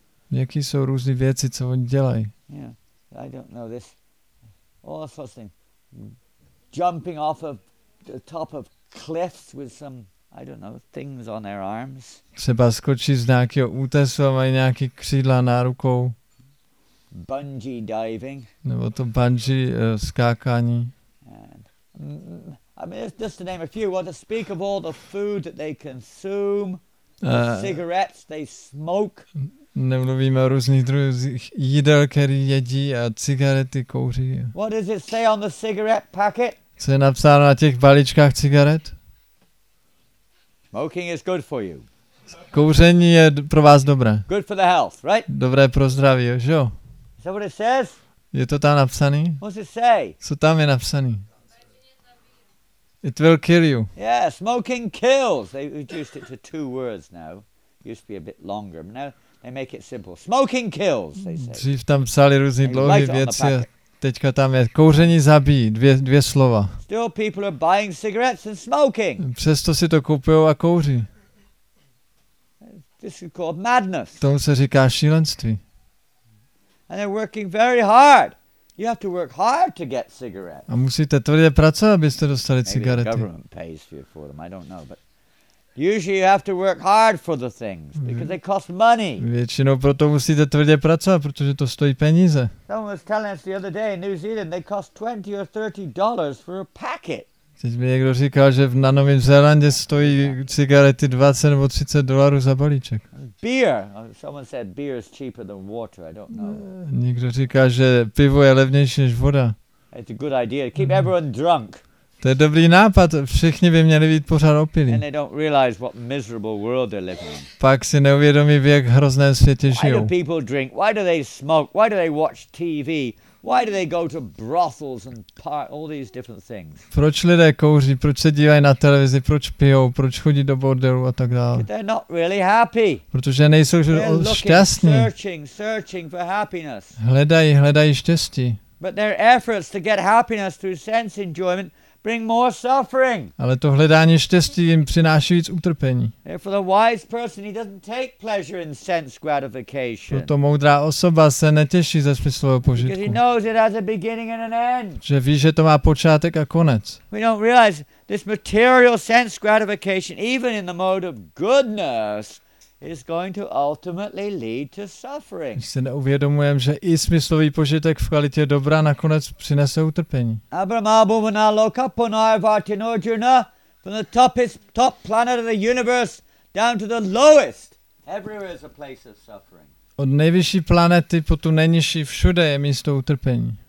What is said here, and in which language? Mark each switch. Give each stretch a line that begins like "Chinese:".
Czech: Jaký jsou různé věci, co oni dělají?
English: Yeah, I don't know this. All sorts of things. Jumping off of the top of cliffs with some, I don't know, things on their arms.
Czech: Třeba skočí z nějakého útesu a mají nějaký křídla na rukou.
English: Bungee diving.
Czech: Nebo to bungee skákání.
English: And, I mean, it's just to name a few. Well, to speak of all the food that they consume, the cigarettes they smoke.
Czech: Nemluvíme o různých druzích jídel, který jedí a cigarety kouří.
English: What does it say on the cigarette packet?
Czech: Co je napsáno na těch balíčkách cigaret?
English: Smoking is good for you.
Czech: Kouření je pro vás dobré.
English: Good for the health, right?
Czech: Dobré pro zdraví, jo? Jo?
English: Is that what it says?
Czech: Je to tam napsaný?
English: What does it say?
Czech: Co tam je napsaný?
English: It will kill you. Yeah, smoking kills. They reduced it to two words now. Used to be a bit longer, but now they make it simple. Smoking kills, they say.
Czech: Dřív tam psali různý dlouhý věci, teďka tam je kouření zabíjí, dvě slova.
English: Still people are buying cigarettes and smoking.
Czech: Přesto si to kupujou a kouří.
English: This is called madness.
Czech: Tomu se říká šílenství.
English: And they're working very hard. You have to work hard to get cigarettes.
Czech: A musíte tvrdě pracovat, abyste dostali cigarety.
English: Maybe the government pays for you for them, I don't know, but usually you have to work hard for the things because they cost money.
Czech: Většinou proto musíte tvrdě pracovat, protože to stojí peníze.
English: Someone was telling us the other day in New Zealand they cost $20 or $30 for a packet.
Czech: Teď mi někdo říkal, že na Novém Zélandě stojí cigarety $20
English: or
Czech: $30 za balíček.
English: Beer. Someone said beer is cheaper than water. I don't know.
Czech: Někdo říká, že pivo je levnější než voda.
English: It's a good idea. Keep everyone drunk.
Czech: To je dobrý nápad, všichni by měli být pořád opilí.
English: And they don't realize what miserable world they're living in.
Czech: Pak si neuvědomí, v jak hrozném světě žijou.
English: Why do people drink? Why do they smoke? Why do they watch TV? Why do they go to brothels and all these different things?
Czech: Proč lidé kouří, proč se dívají na televizi, proč pijou, proč chodí do bordelu a tak dále?
English: They're not really happy.
Czech: Protože nejsou šťastní.
English: Searching for happiness.
Czech: Hledají štěstí.
English: But their efforts to get happiness through sense enjoyment bring more suffering.
Czech: Ale to hledání štěstí jim přináší víc utrpení.
English: For the wise person, he doesn't take pleasure in sense gratification.
Czech: Proto moudrá osoba se netěší ze smyslového požitku.
English: Because he knows it has a beginning and an end.
Czech: Že ví, že to má počátek a konec.
English: We don't realize this material sense gratification, even in the mode of goodness, is going to ultimately lead to suffering.
Czech: Si neuvědomujem, že i smyslový požitek v kvalitě dobra nakonec přinese utrpení.
English: From the top planet of the universe down to the lowest, everywhere is a place of suffering.
Czech: Od nejvyšší planety po tu nejnižší všude je místo utrpení.